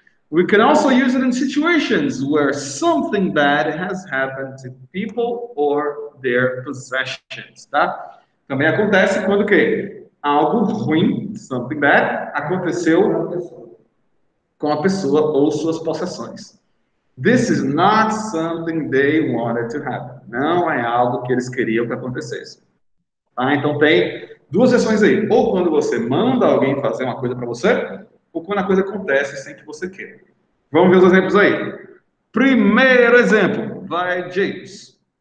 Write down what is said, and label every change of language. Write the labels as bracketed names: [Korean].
[English] We can also use it in situations where something bad has happened to people or their possessions, tá? [Portuguese] Também acontece quando o quê? Algo ruim, [English] something bad, [Portuguese] aconteceu com a pessoa ou suas possessões. [English] This is not something they wanted to happen. [Portuguese] Não é algo que eles queriam que acontecesse. Tá? Então tem duas versões aí. Ou quando você manda alguém fazer uma coisa para você, ou quando a coisa acontece sem que você queira. Vamos ver os exemplos aí. Primeiro exemplo, vai James.